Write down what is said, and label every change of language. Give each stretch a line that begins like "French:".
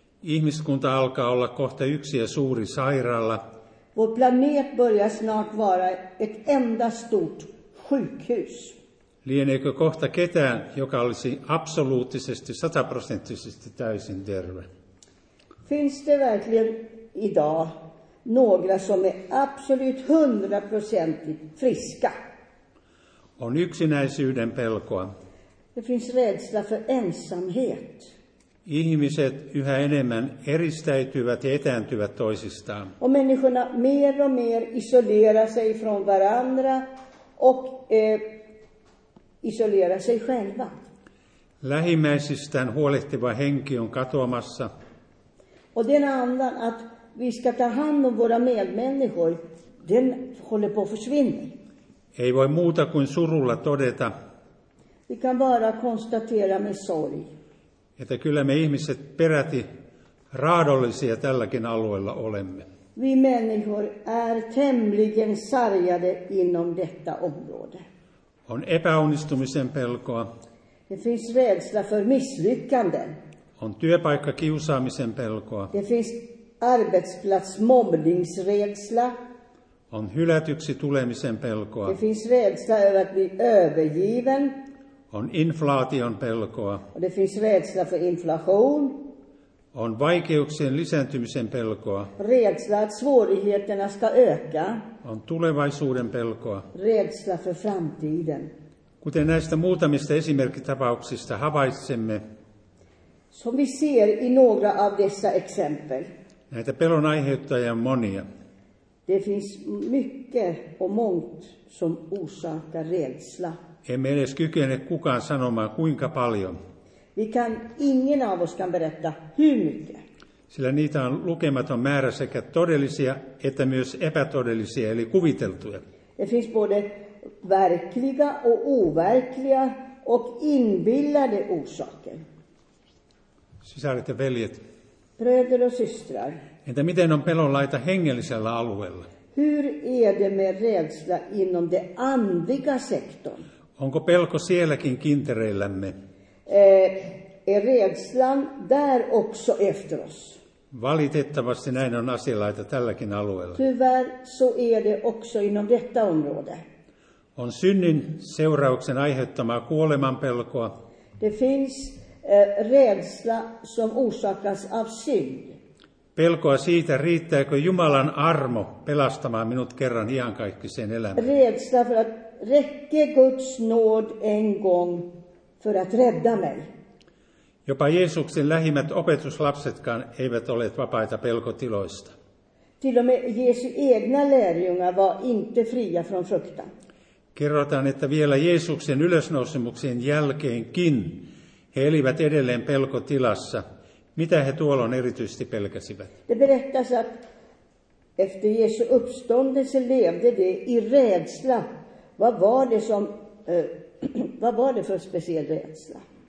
Finnish: Ihmiskunta alkaa olla kohta yksi ja suuri sairaala.
Swedish: Vår planet börjar snart vara ett enda stort sjukhus.
Finnish: Lieneekö kohta ketään, joka olisi absoluuttisesti, sataprosenttisesti täysin terve?
Swedish: Finns det verkligen idag några som är absolut hundraprocentigt friska?
Finnish: On yksinäisyyden pelkoa.
Swedish: Det finns rädsla för ensamhet.
Finnish: Ihmiset yhä enemmän eristäytyvät ja etääntyvät toisistaan.
Swedish: Och människorna mer och mer isolerar sig från varandra och isolerar sig själva.
Finnish: Lähimmäisistään huolehtiva henki on katoamassa.
Swedish: Och den andan att vi ska ta hand om våra medmänniskor, den håller på att försvinna.
Finnish: Ei voi muuta kuin surulla todeta.
Swedish: Vi kan bara konstatera med sorg.
Finnish: Että kyllä me ihmiset peräti raadollisia tälläkin alueella olemme.
Swedish: Vi människor är tämligen sargade inom detta område.
Finnish: On epäonnistumisen pelkoa.
Swedish: Det finns rädsla för misslyckanden.
Finnish: On työpaikka kiusaamisen pelkoa.
Swedish: Det finns arbetsplatsmobbningsrädsla.
Finnish: On hylätyksi tulemisen pelkoa.
Swedish: Det finns rädsla över att bli övergiven.
Finnish: On inflaation pelkoa.
Swedish: Det finns rädsla för inflation.
Finnish: On vaikeuksien lisääntymisen pelkoa.
Swedish: Rädsla att svårigheterna ska öka.
Finnish: On tulevaisuuden pelkoa.
Swedish: Rädsla för framtiden.
Finnish: Kuten näistä muutamista esimerkkitapauksista havaitsemme.
Swedish: Som vi ser i några av dessa exempel.
Finnish: Näitä pelon aiheuttajia on monia.
Swedish: Det finns mycket och mångt som orsakar rädsla.
Finnish: Emme edes kykene kukaan sanomaan kuinka paljon.
Swedish: Vi kan, ingen av oss kan berätta hur mycket.
Finnish: Sillä niitä on lukematon määrä sekä todellisia että myös epätodellisia eli kuviteltuja.
Swedish: Det finns både verkliga och overkliga och inbillade orsaker.
Finnish: Sisaret ja veljet.
Swedish: Bröder och systrar.
Finnish: Entä miten on pelon laita hengellisellä alueella?
Swedish: Hur är det med rädsla inom det andliga sektorn?
Finnish: Onko pelko sielläkin kintereillämme?
Swedish: Är rädslan där också efter oss?
Finnish: Valitettavasti näin on asialaita tälläkin alueella.
Swedish: Tyvärr så är det också inom detta område.
Finnish: On synnin seurauksen aiheuttamaa kuoleman pelkoa.
Swedish: Det finns rädsla som orsakas av synd.
Finnish: Pelkoa siitä, riittääkö Jumalan armo pelastamaan minut kerran iankaikkiseen elämään.
Swedish: Rädsla för att räcker Guds nåd en gång för att rädda mig.
Finnish: Jopa Jeesuksen lähimmät opetuslapsetkaan eivät olleet vapaita pelkotiloista.
Swedish: Till och med Jesu egna lärjungar var inte fria från fruktan.
Finnish: Kerrotaan, että vielä Jeesuksen ylösnousemuksen jälkeenkin he elivät edelleen pelkotilassa. Mitä he tuolloin erityisesti pelkäsivät?
Swedish: Det berättas att efter Jesu uppståndelse levde de i rädsla. Vad var det som vad var det för speciell rädsla?